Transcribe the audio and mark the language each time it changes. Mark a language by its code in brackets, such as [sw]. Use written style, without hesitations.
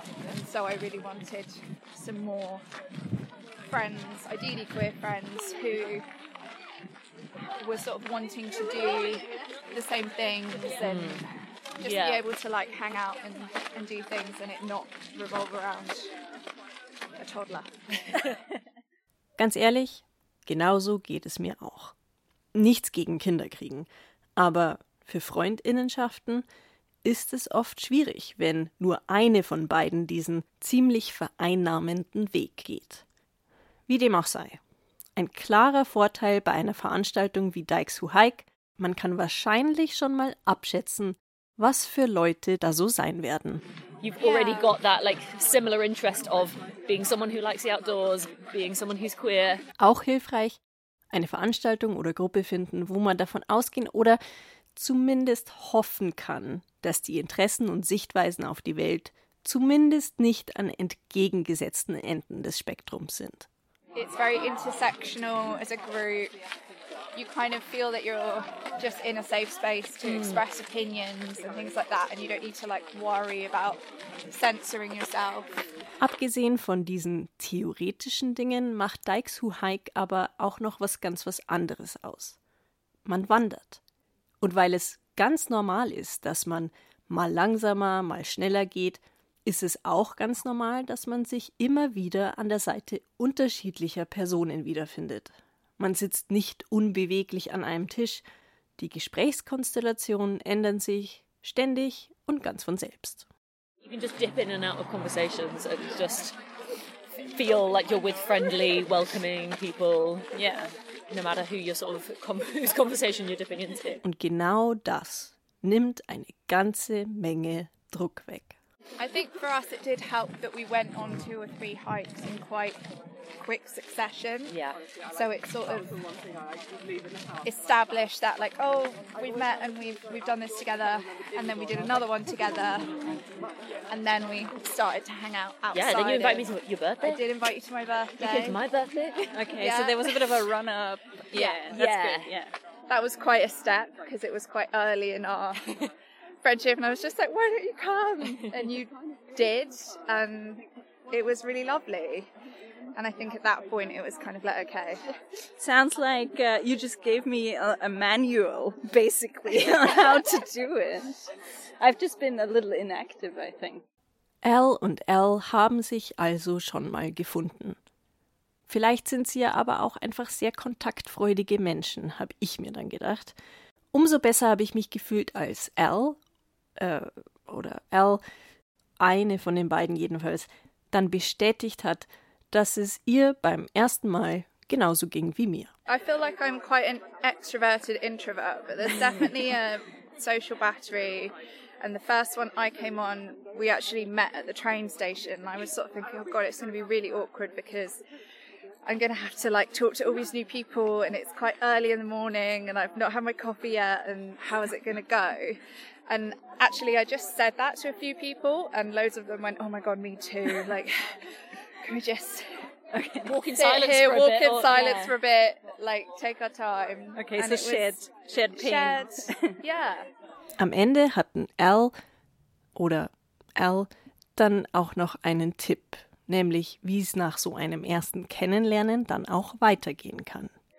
[en] And so I really wanted some more friends, ideally queer friends, who were sort of wanting to do the same things and just be able to hang out and do things and it not revolve around a toddler. [de] Ganz ehrlich, Genauso geht es mir auch. Nichts gegen Kinder kriegen, aber für Freundinnenschaften ist es oft schwierig, wenn nur eine von beiden diesen ziemlich vereinnahmenden Weg geht. Wie dem auch sei. Ein klarer Vorteil bei einer Veranstaltung wie Dykes Who Hike: man kann wahrscheinlich schon mal abschätzen, was für Leute da so sein werden. [en] You've already got that like similar interest of being someone who likes the outdoors, being someone who's queer. [de] Auch hilfreich, eine Veranstaltung oder Gruppe finden, wo man davon ausgehen oder zumindest hoffen kann, dass die Interessen und Sichtweisen auf die Welt zumindest nicht an entgegengesetzten Enden des Spektrums sind. [en] It's very intersectional as a group. You kind of feel that you're just in a safe space to express opinions and things like that, and you don't need to like worry about censoring yourself. [de] Abgesehen von diesen theoretischen Dingen macht Dykes Who Hike aber auch noch was ganz was anderes aus. Man wandert. Und weil es ganz normal ist, dass man mal langsamer, mal schneller geht, ist es auch ganz normal, dass man sich immer wieder an der Seite unterschiedlicher Personen wiederfindet. Man sitzt nicht unbeweglich an einem Tisch. Die Gesprächskonstellationen ändern sich ständig und ganz von selbst. [en] You can just dip in and out of conversations and just feel like you're with friendly, welcoming people. Yeah. No matter who you're sort of whose conversation you're dipping into. [de] Und genau das nimmt eine ganze Menge Druck weg. [en] I think for us it did help that we went on 2 or 3 hikes in quite quick succession. Yeah. So it sort of established that, like, oh, we've met and we've done this together, and then we did another one together, and then we started to hang out outside. Yeah, then you invite me to your birthday. I did invite you to my birthday. You came to my birthday? Okay, yeah. So there was a bit of a run-up. Yeah, that's yeah. Good. Yeah. That was quite a step, because it was quite early in our friendship, and I was just like, why don't you come? And you did, and it was really lovely. And I think at that point it was kind of like, okay. Sounds like you just gave me a manual, basically, on how to do it. I've just been a little inactive, I think. [de] L und L haben sich also schon mal gefunden. Vielleicht sind sie ja aber auch einfach sehr kontaktfreudige Menschen, habe ich mir dann gedacht. Umso besser habe ich mich gefühlt als L, oder L, eine von den beiden jedenfalls, dann bestätigt hat, dass es ihr beim ersten Mal genauso ging wie mir. [en] I feel like I'm quite an extroverted introvert, but there's definitely a social battery. And the first one I came on, we actually met at the train station. And I was sort of thinking, oh God, it's going to be really awkward because I'm going to have to like talk to all these new people and it's quite early in the morning and I've not had my coffee yet and how is it going to go? And actually, I just said that to a few people and loads of them went, oh my God, me too. Like... Can we just walk in silence here, for a walk bit? Walk in silence for a bit, like, take our time. Okay, and so shared pain. Shared, yeah. [de] Am Ende hatten L oder L dann auch noch einen Tipp, nämlich wie es nach so einem ersten Kennenlernen dann auch weitergehen kann.